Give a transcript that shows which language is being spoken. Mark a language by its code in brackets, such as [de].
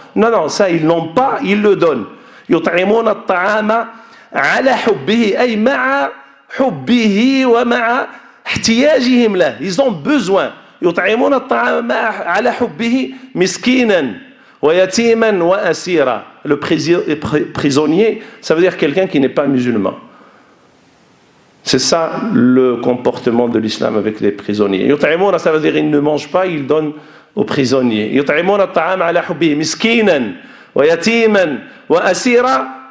[fr] نو نو سا إيل لون با إيل لو دون. [ar] يطعمون الطعام على حبه أي مع حبه ومع احتياجهم له. [fr] Ils ont besoin. [ar] يطعمون الطعام على حبه مسكينا ويتيما واسيرا. [fr] Le prisonnier, ça veut dire quelqu'un qui n'est pas musulman. C'est ça le comportement de l'islam avec les prisonniers. [ar] يطعمون, [fr] ça veut dire ils ne mangent pas, ils donnent aux prisonniers. [ar] يطعمون الطعام على حبه مسكينا ويتيما واسيرا.